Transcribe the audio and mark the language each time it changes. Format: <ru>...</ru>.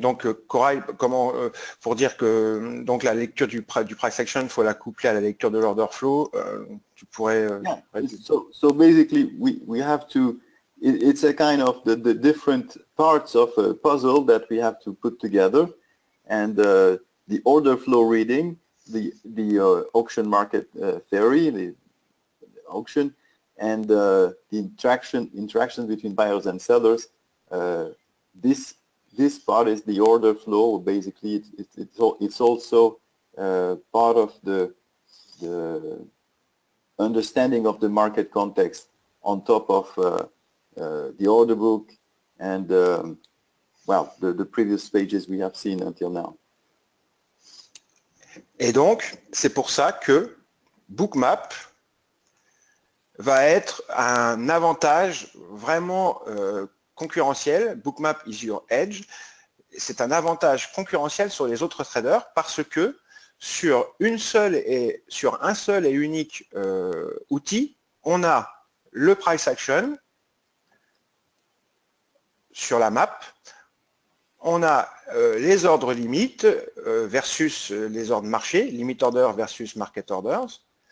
<fr>Donc, Corail, comment pour dire que donc la lecture du price action, faut la coupler à la lecture de l'order flow. Tu pourrais.</fr> <en>So basically, we have to. It's a kind of the different parts of a puzzle that we have to put together, and the order flow reading, the auction market theory, the auction, and the interaction between buyers and sellers. This part is the order flow. Basically, it's also part of the understanding of the market context on top of the order book and well, the previous pages we have seen until now.</en> <fr>Et donc, c'est pour ça que Bookmap va être un avantage vraiment concurrentiel.</fr> <en>Bookmap is your edge.</en> <fr>C'est un avantage concurrentiel sur les autres traders parce que sur un seul et unique outil, on a le price action sur la map, on a les ordres limites versus les ordres marché,</fr> <en>limit order versus market orders.</en>